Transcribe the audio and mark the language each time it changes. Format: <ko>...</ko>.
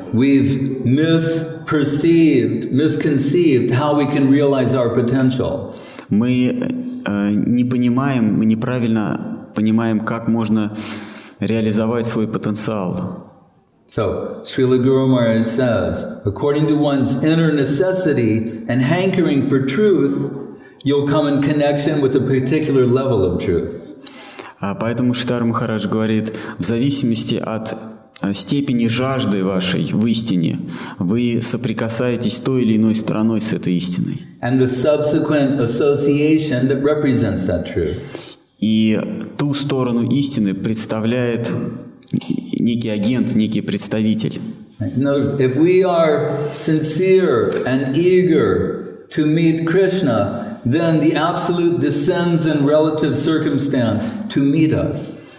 <en>We've misconceived how we can realize our potential.</en> <ru>Мы не понимаем, мы неправильно понимаем, как можно реализовать свой потенциал.</ru> <en>So, Srila Guru Maharaj says, according to one's inner necessity and hankering for truth, you'll come in connection with a particular level of truth.</en> <ru>Поэтому Шридхара Махарадж говорит, в зависимости от степени жажды вашей в истине, вы соприкасаетесь с той или иной стороной с этой истиной.</ru> <en>And the subsequent association that represents that truth.</en> <ru>И ту сторону истины представляет некий агент, некий представитель.</ru> <en>In other words, if we are sincere and eager to meet Krishna, then the absolute descends in relative circumstance to meet us.</en>